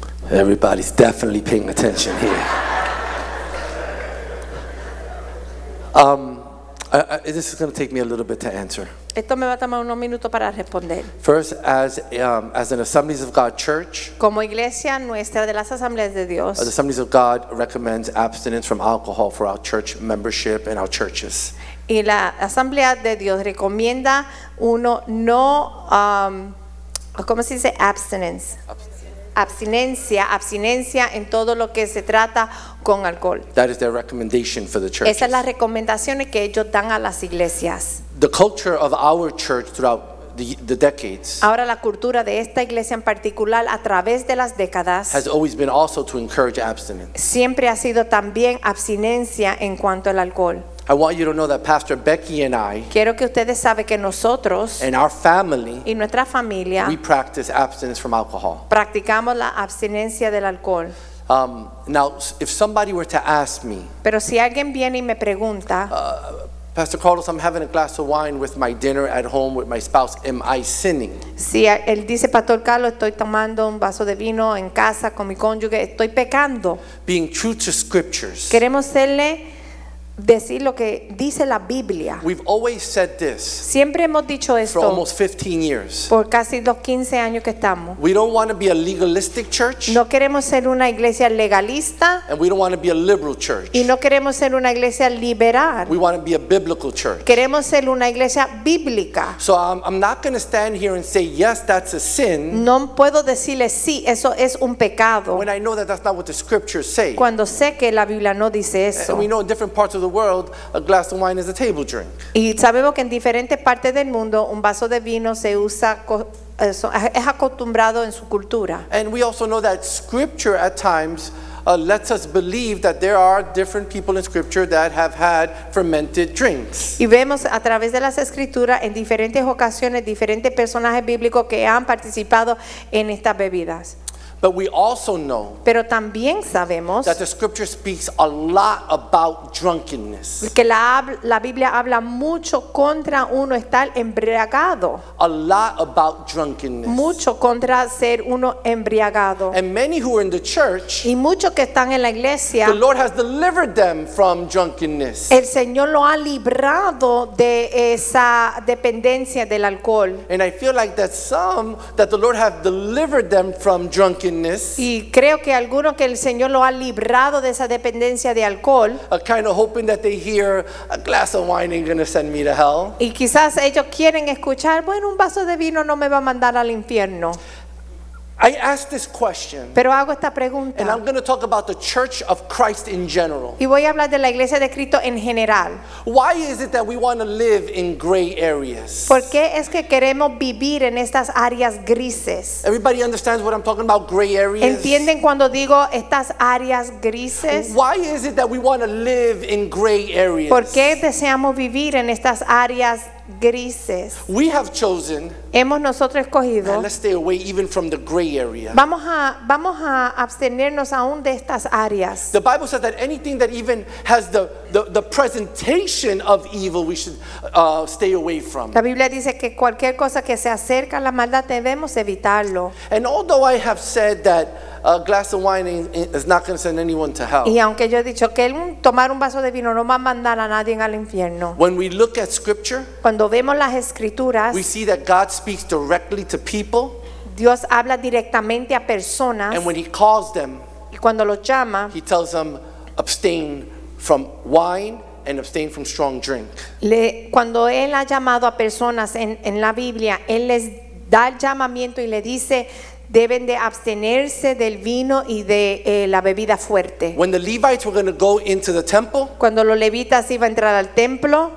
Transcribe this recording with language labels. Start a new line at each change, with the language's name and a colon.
English: Everybody's definitely paying attention here. This is going to take me a little bit to answer.
Spanish: Esto me va a tomar unos minutos para responder.
English: First, as an Assemblies of God church,
Spanish: como iglesia nuestra de las Asambleas de Dios,
English: the Assemblies of God recommends abstinence from alcohol for our church membership and our churches.
Spanish: Y la Asamblea de Dios recomienda uno no, ¿cómo se dice? Abstinence. Abstinencia en todo lo que se trata con alcohol.
English: That is their recommendation for the churches.
Spanish: Esas son las recomendaciones que ellos dan a las iglesias.
English: The culture of our church throughout the decades.
Spanish: Ahora la cultura de esta iglesia en particular a través de las décadas
English: has always been also to encourage abstinence.
Spanish: Siempre ha sido también abstinencia en cuanto al alcohol.
English: I want you to know that Pastor Becky and I,
Spanish: quiero que ustedes saben que nosotros,
English: and our family,
Spanish: y nuestra familia,
English: we practice abstinence from alcohol.
Spanish: Practicamos la abstinencia del alcohol.
English: Now, if somebody were to ask me,
Spanish: pero si alguien viene y me pregunta,
English: Pastor Carlos, I'm having a glass of wine with my dinner at home with my spouse. Am I sinning?
Spanish: Sí, él dice, Pastor Carlos, estoy tomando un vaso de vino en casa con mi cónyuge. Estoy pecando.
English: Being true to scriptures.
Spanish: Queremos serle decir lo que dice la Biblia.
English: We've always said this.
Spanish: Siempre hemos dicho esto.
English: For almost 15 years.
Spanish: Por casi los 15 años que estamos.
English: We don't want to be a legalistic church.
Spanish: No queremos ser una iglesia legalista.
English: And we don't want to be a liberal church.
Spanish: Y no queremos ser una iglesia liberal.
English: We want to be a biblical church.
Spanish: Queremos ser una iglesia bíblica.
English: So I'm not going to stand here and say yes, that's a sin.
Spanish: No puedo decirle sí, eso es un pecado.
English: When I know that that's not what the scriptures say.
Spanish: Cuando sé que la Biblia no dice eso.
English: And we know in different parts of the world, a glass of wine is a table drink.
Spanish: Y sabemos que en diferentes partes del mundo un vaso de vino se usa es acostumbrado en su cultura.
English: And we also know that scripture at times lets us believe that there are different people in scripture that have had fermented drinks.
Spanish: Y vemos a través de las escrituras en diferentes ocasiones diferentes personajes bíblicos que han participado en estas bebidas.
English: But we also know
Spanish: Pero también sabemos
English: that the scripture speaks a lot about drunkenness.
Spanish: Que la Biblia habla mucho contra uno estar embriagado.
English: A lot about drunkenness.
Spanish: Mucho contra ser uno embriagado.
English: And many who are in the church,
Spanish: y muchos que están en la iglesia,
English: the Lord has delivered them from drunkenness.
Spanish: El Señor lo ha librado de esa dependencia del alcohol.
English: And I feel like that some that the Lord has delivered them from drunkenness.
Spanish: Y creo que algunos que el Señor lo ha librado de esa dependencia de alcohol.
English: Kind of hoping that they hear a glass of wine ain't gonna send me to hell.
Spanish: Y quizás ellos quieren escuchar, bueno, un vaso de vino no me va a mandar al infierno.
English: I ask this question.
Spanish: Pero hago esta pregunta.
English: And I'm going to talk about the Church of Christ in general.
Spanish: Y voy a hablar de la Iglesia de Cristo en general.
English: Why is it that we want to live in gray areas?
Spanish: ¿Por qué es que queremos vivir en estas áreas grises?
English: Everybody understands what I'm talking about, gray areas.
Spanish: ¿Entienden cuando digo estas áreas grises?
English: Why is it that we want to live in gray areas?
Spanish: ¿Por qué deseamos vivir en estas áreas grises?
English: We have chosen.
Spanish: Hemos nosotros escogido.
English: Let's stay away even from the gray area.
Spanish: Vamos a abstenernos aún de estas áreas.
English: The Bible says that anything that even has the presentation of evil, we should stay away from.
Spanish: La Biblia dice que cualquier cosa que se acerca a la maldad debemos evitarlo.
English: And although I have said that a glass of wine is not going to send anyone to hell.
Spanish: Y aunque yo he dicho que tomar un vaso de vino no va a mandar a nadie al infierno.
English: When we look at scripture,
Spanish: cuando vemos las escrituras,
English: we see that God speaks directly to people.
Spanish: Dios habla directamente a personas.
English: And when he calls them,
Spanish: y cuando los llama,
English: he tells them abstain from wine and abstain from strong drink.
Spanish: Cuando él ha llamado a personas en la Biblia, él les da el llamamiento y le dice deben de abstenerse del vino y de la bebida fuerte.
English: When the Levites were going to go into the temple,
Spanish: cuando los levitas iban a entrar al templo,